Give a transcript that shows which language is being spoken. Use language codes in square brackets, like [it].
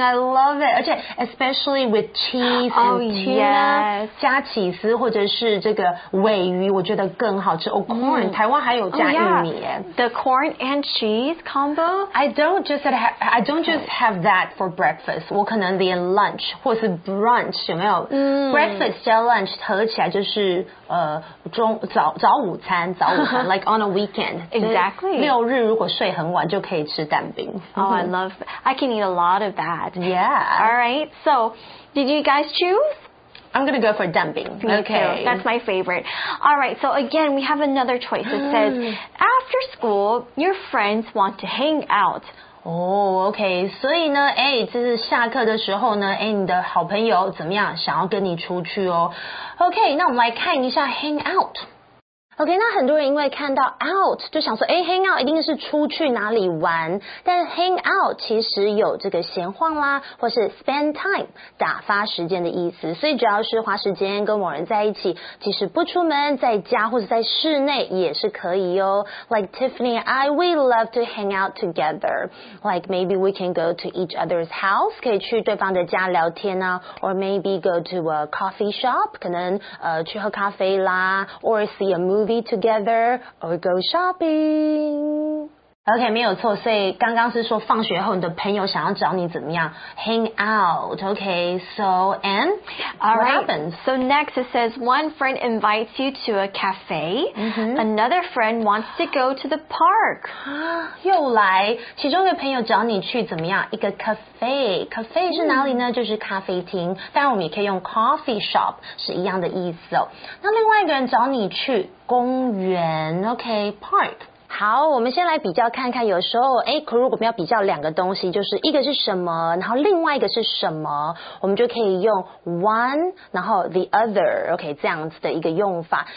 [en] I love it. [zh] 而且 [en] especially with cheese and tuna. [zh] 加起司或者是这个尾鱼，我觉得更好吃。 [en] Oh, corn. [zh] 台湾还有加玉米。 [en] The corn and cheese combo? I don't just have that for breakfast. [zh] 我可能连 lunch 或是 brunch 有没有、breakfast 加 lunch 合起来就是、早午餐 [en] like on a weekend. Exactly. [zh] 六日如果睡很晚就可以吃蛋饼。 [en] Oh, I love that. I can eat a lot of that. Yeah. Alright, so did you guys choose? I'm going to go for dumping. Okay. That's my favorite. All right. So again, we have another choice. It says, after school, your friends want to hang out. [zh] OK, 所以呢，哎，这是下课的时候呢，哎，你的好朋友怎么样，想要跟你出去哦。 OK, 那我们来看一下 hang out. OK, 那很多人因为看到 out 就想说，哎 ，hang out 一定是出去哪里玩，但 hang out 其实有这个闲晃啦，或是 [en] spend time [zh] 打发时间的意思。所以只要是花时间跟某人在一起，即使不出门，在家或者在室内也是可以哦。 [en] Like Tiffany, I we love to hang out together. Like maybe we can go to each other's house, [zh] 可以去对方的家聊天啊 [en] ，or maybe go to a coffee shop, [zh] 可能去喝咖啡啦 [en] ，or see a movie together or go shopping. [zh] OK, 没有错，所以刚刚是说放学后你的朋友想要找你怎么样 ? [en] Hang out, OK, so, and, what happens? So next it says, one friend invites you to a cafe,、another friend wants to go to the park. [zh] 又来，其中一个朋友找你去怎么样？一个 cafe, cafe 是哪里呢？就是咖啡厅，当然我们也可以用 coffee shop, 是一样的意思哦。那另外一个人找你去公园 ,OK, park. 好，我们先来比较看看，有时候哎，可如果我们要比较两个东西，就是一个是什么，然后另外一个是什么，我们就可以用 one 然后 the other， OK， 这样子的一个用法。